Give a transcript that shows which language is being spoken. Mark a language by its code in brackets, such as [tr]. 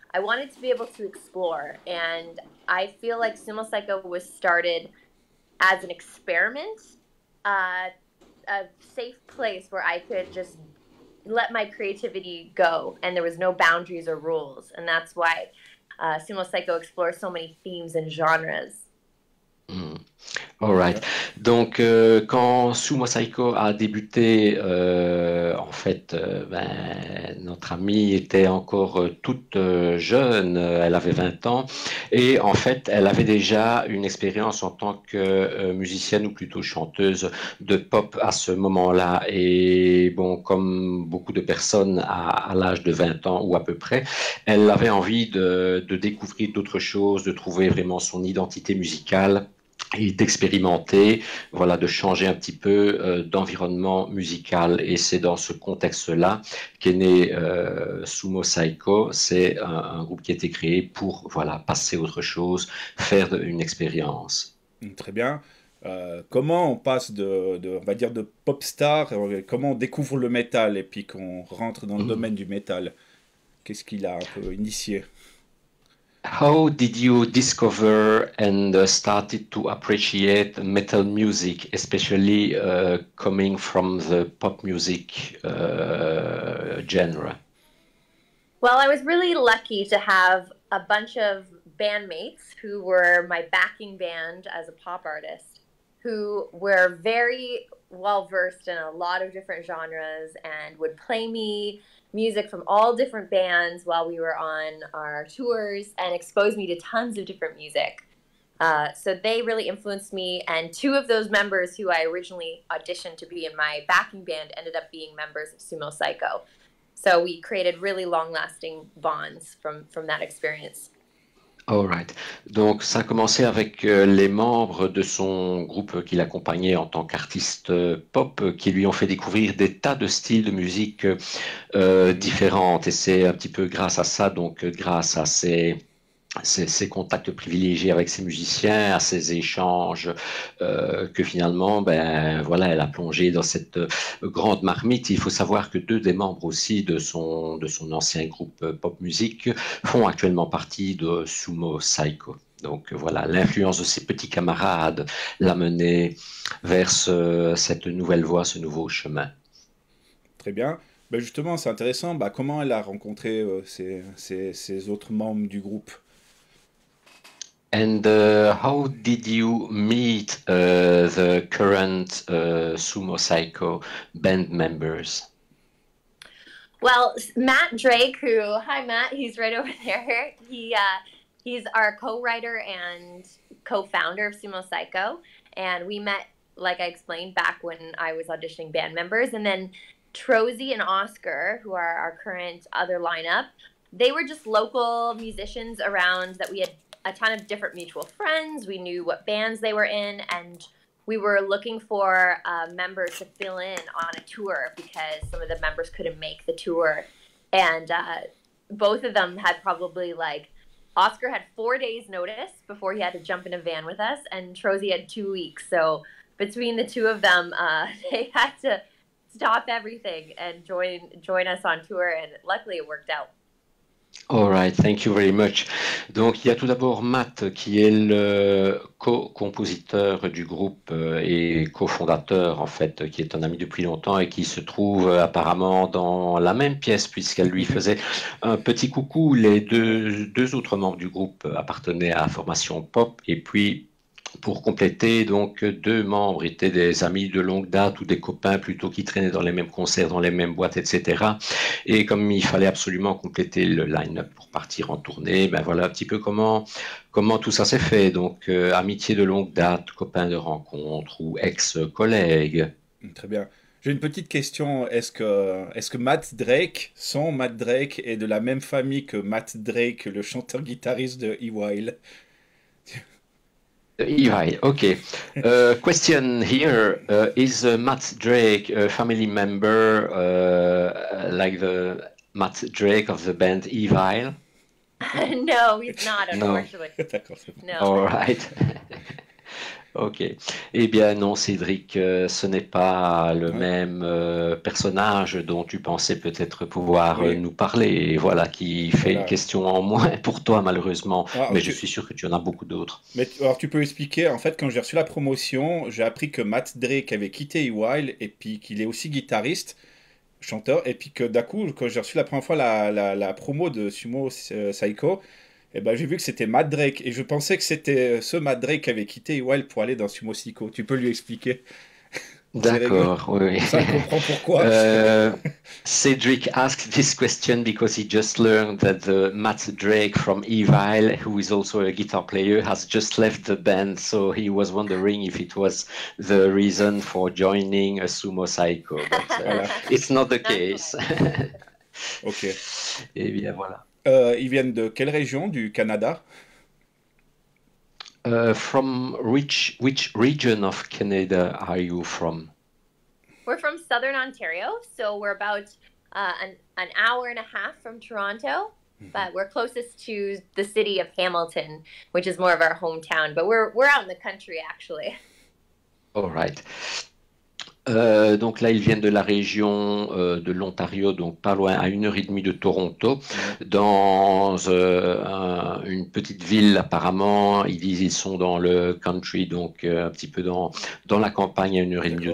[en] I wanted to be able to explore, and I feel like Sumo Cyco was started as an experiment, a safe place where I could just let my creativity go, and there was no boundaries or rules, and that's why Sumo Cyco explores so many themes and genres. All right. [fr] Donc, quand Sumo Cyco a débuté, en fait, notre amie était encore toute jeune, elle avait 20 ans, et en fait, elle avait déjà une expérience en tant que musicienne ou plutôt chanteuse de pop à ce moment-là. Et bon, comme beaucoup de personnes à l'âge de 20 ans ou à peu près, elle avait envie de découvrir d'autres choses, de trouver vraiment son identité musicale. Et d'expérimenter, voilà, de changer un petit peu d'environnement musical. Et c'est dans ce contexte-là qu'est né Sumo Cyco. C'est un groupe qui a été créé pour, voilà, passer à autre chose, faire une expérience. Très bien. Comment on passe de, on va dire, de pop star, comment on découvre le métal et puis qu'on rentre dans le domaine du métal? Qu'est-ce qu'il a un peu initié? [en] How did you discover and started to appreciate metal music, especially coming from the pop music genre? Well, I was really lucky to have a bunch of bandmates who were my backing band as a pop artist, who were very well versed in a lot of different genres and would play me music from all different bands while we were on our tours and exposed me to tons of different music. So they really influenced me, and two of those members who I originally auditioned to be in my backing band ended up being members of Sumo Cyco. So we created really long-lasting bonds from that experience. All right. [fr] Donc, ça a commencé avec les membres de son groupe qui l'accompagnait en tant qu'artiste pop, qui lui ont fait découvrir des tas de styles de musique différentes. Et c'est un petit peu grâce à ça, donc grâce à ces contacts privilégiés avec ces musiciens, à ces échanges, que finalement, ben voilà, elle a plongé dans cette grande marmite. Il faut savoir que deux des membres aussi de son ancien groupe pop music font actuellement partie de Sumo Cyco. Donc voilà, l'influence de ses petits camarades l'a mené vers cette nouvelle voie, ce nouveau chemin. Très bien. Ben justement, c'est intéressant. Ben, comment elle a rencontré ses autres membres du groupe? [en] And how did you meet the current Sumo Cyco band members? Well, Matt Drake, he's right over there. He's our co-writer and co-founder of Sumo Cyco. And we met, like I explained, back when I was auditioning band members. And then Trozy and Oscar, who are our current other lineup, they were just local musicians around that we had a ton of different mutual friends. We knew what bands they were in, and we were looking for a member to fill in on a tour because some of the members couldn't make the tour. And both of them had probably, like, Oscar had 4 days notice before he had to jump in a van with us, and Trozy had 2 weeks. So between the two of them, they had to stop everything and join us on tour, and luckily it worked out. All right, thank you very much. [fr] Donc, il y a tout d'abord Matt, qui est le co-compositeur du groupe et co-fondateur, en fait, qui est un ami depuis longtemps et qui se trouve apparemment dans la même pièce, puisqu'elle lui faisait un petit coucou. Les deux autres membres du groupe appartenaient à la formation pop, et puis Pour compléter, donc deux membres étaient des amis de longue date ou des copains plutôt qui traînaient dans les mêmes concerts, dans les mêmes boîtes, etc. Et comme il fallait absolument compléter le line-up pour partir en tournée, ben voilà un petit peu comment tout ça s'est fait. Donc amitié de longue date, copains de rencontre ou ex-collègues. Très bien. J'ai une petite question. Est-ce que Matt Drake, son Matt Drake, est de la même famille que Matt Drake, le chanteur-guitariste de EY? [en] Ok. Question here. Is Matt Drake a family member like the Matt Drake of the band Evil? No, he's not, [fr] Non. [en] unfortunately. [fr] D'accord, c'est bon. [en] No. All right. Ok. [fr] Eh bien, non, Cédric, ce n'est pas le même personnage dont tu pensais peut-être pouvoir Oui. nous parler. Et voilà qui fait une Voilà. question en moins pour toi, malheureusement. Alors, Mais je suis sûr que tu en as beaucoup d'autres. alors tu peux expliquer, en fait, quand j'ai reçu la promotion, j'ai appris que Matt Drake avait quitté EY et puis qu'il est aussi guitariste, chanteur, et puis que d'un coup, quand j'ai reçu la première fois la promo de Sumo Cyco, eh ben, j'ai vu que c'était Matt Drake et je pensais que c'était ce Matt Drake qui avait quitté EY pour aller dans Sumo Cyco. Tu peux lui expliquer. C'est réglé. D'accord, oui. Ça comprend pourquoi. [en] Cédric asked this question because he just learned that the Matt Drake from Evil, who is also a guitar player, has just left the band. So he was wondering if it was the reason for joining a Sumo Cyco, but [fr] Voilà. [en] it's not the That's why. case. Ok. [fr] Eh bien, voilà. Ils viennent de quelle région du Canada? [en] From which region of Canada are you from? We're from Southern Ontario, so we're about an hour and a half from Toronto, but we're closest to the city of Hamilton, which is more of our hometown, but we're out in the country actually. All right. [fr] Donc là, ils viennent de la région de l'Ontario, donc pas loin, à 1 heure et demie de Toronto, dans une petite ville apparemment. Ils disent qu'ils sont dans le country, donc un petit peu dans la campagne à 1 heure et demie de